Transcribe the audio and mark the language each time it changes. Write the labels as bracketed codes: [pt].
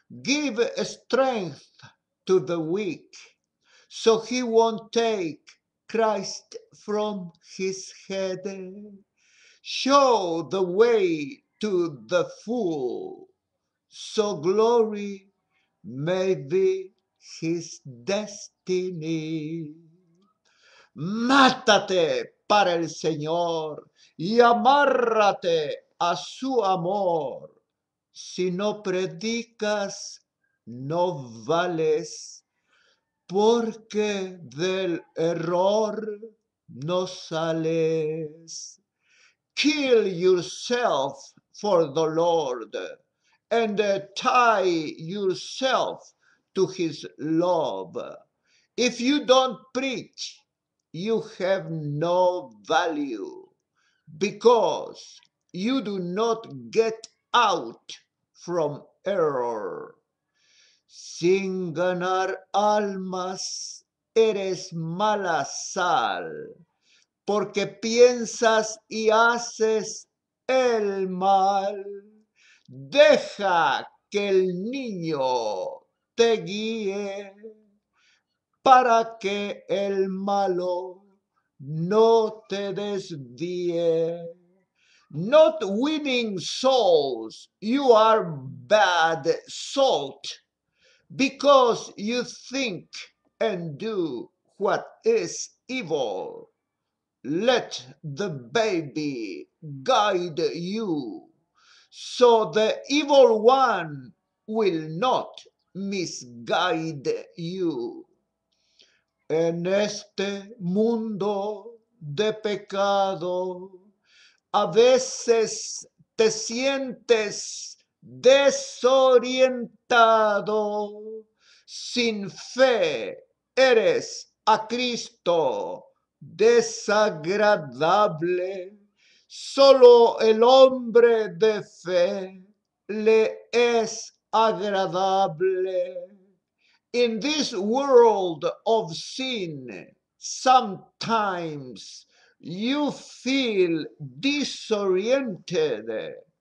[en] Give strength to the weak, so he won't take Christ from his head. Show the way to the fool, so glory may be his destiny. [es] Mátate para el Señor y amárrate a su amor. Si no predicas, no vales, porque del error no sales. [en] Kill yourself for the Lord and tie yourself to his love. If you don't preach, you have no value because you do not get out from error. [es] Sin ganar almas, eres mala sal, porque piensas y haces el mal. Deja que el niño te guíe para que el malo no te desvíe. [en] Not winning souls, you are bad salt because you think and do what is evil. Let the baby guide you so the evil one will not misguide you. [es] En este mundo de pecado, a veces te sientes desorientado. Sin fe, eres a Cristo desagradable. Solo el hombre de fe le es agradable. [en] In this world of sin, sometimes you feel disoriented.